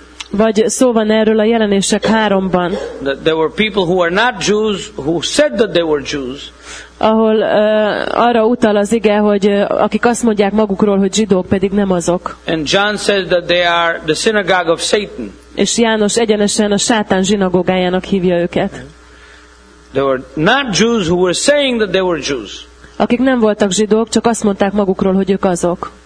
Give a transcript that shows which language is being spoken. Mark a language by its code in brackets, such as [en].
[hu] Vagy szó van erről a Jelenések 3-ban. [en] There were people who are not Jews who said that they were Jews. [hu] Ahol arra utal az ige, hogy akik azt mondják magukról, hogy zsidók, pedig nem azok. [en] And John says that they are the synagogue of Satan. [hu] És János egyenesen a sátán zsinagógájának hívja őket. [en] They were not Jews who were saying that they were Jews. [hu] Akik nem voltak zsidók, csak azt mondták magukról, hogy ők azok.